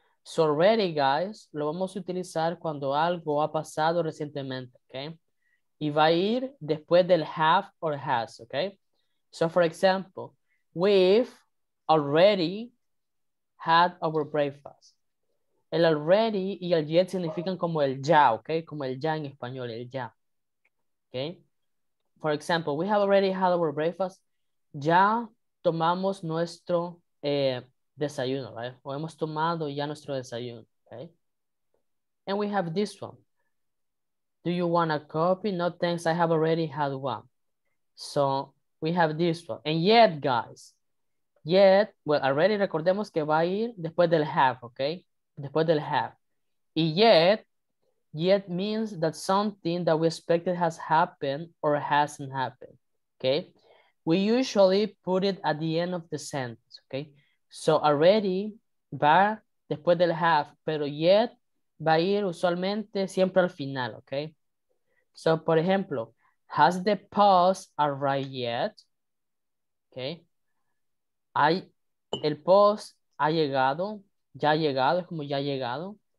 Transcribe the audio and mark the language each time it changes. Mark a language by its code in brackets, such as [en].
[en] So already, guys, [es] lo vamos a utilizar cuando algo ha pasado recientemente, okay? Y va a ir después del [en] have or has, okay? So for example, we've already had our breakfast. [es] El already y el yet significan como el ya, okay? Como el ya en español, el ya, okay? [en] For example, we have already had our breakfast. [es] Ya tomamos nuestro desayuno, right? O hemos tomado ya nuestro desayuno, okay? [en] And we have this one. Do you want a copy? No, thanks. I have already had one. So we have this one. And yet, guys, yet, well, already [es] recordemos que va a ir después del have, okay? Después del have. [en] Y yet, yet means that something that we expected has happened or hasn't happened, okay? We usually put it at the end of the sentence, okay? [es] So already va después del have, pero yet va a ir usualmente siempre al final, okay? [en] So, [es] por ejemplo, [en] has the post arrived yet? Okay. [es] El post ha llegado, ya ha llegado, es como ya ha llegado.